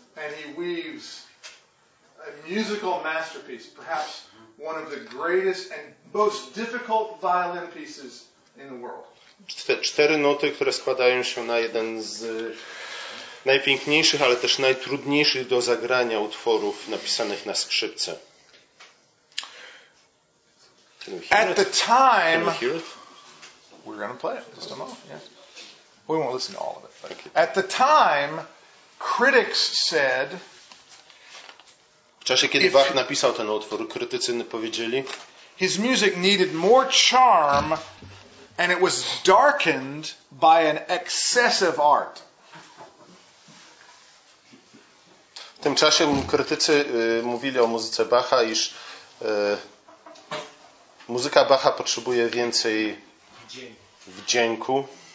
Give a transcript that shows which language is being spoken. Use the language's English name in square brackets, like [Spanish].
[English] And he weaves a musical masterpiece, perhaps one of the greatest and most difficult violin pieces in the world. [Polish] Cztery nuty, które składają się na jeden z najpiękniejszych, ale też najtrudniejszych do zagrania utworów napisanych na skrzypce. [English] At the time, can we hear it? We're going to play it. Just a moment. Yeah. We won't listen to all of it. Okay. At the time, critics said, [Polish] w czasie, kiedy Bach napisał ten utwór, krytycy powiedzieli, [English] his music needed more charm and it was darkened by an excessive art. [Polish] Tymczasem krytycy mówili o muzyce Bacha, iż muzyka Bacha potrzebuje więcej wdzięku.